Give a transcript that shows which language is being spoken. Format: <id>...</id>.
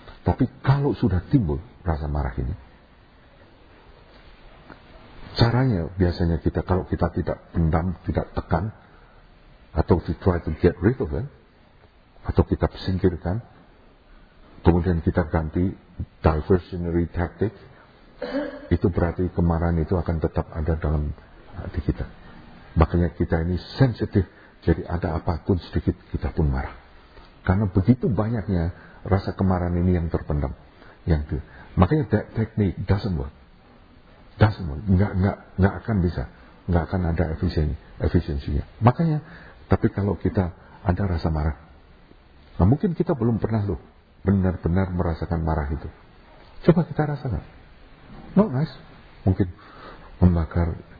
<id>Tapi kalau sudah timbul rasa marah ini, caranya biasanya kita, kalau kita tidak pendam, tidak tekan, atau</id> <en>we try to get rid of it,</en> <id>atau kita singkirkan, kemudian kita ganti diversionary tactic, itu berarti kemarahan itu akan tetap ada dalam hati kita. Makanya kita ini sensitive Jadi ada apapun sedikit kita pun marah. Karena begitu banyaknya rasa kemarahan ini yang terpendam. Yang itu.</id> <en>Makanya that technique doesn't work. Doesn't work.</en> <id>Nggak akan bisa. Nggak akan ada efisiensinya. Makanya, tapi kalau kita ada rasa marah. Nah mungkin kita belum pernah loh benar-benar merasakan marah itu. Coba kita rasakan.</id> <en>Not nice.</en> <id>Mungkin membakar.</id>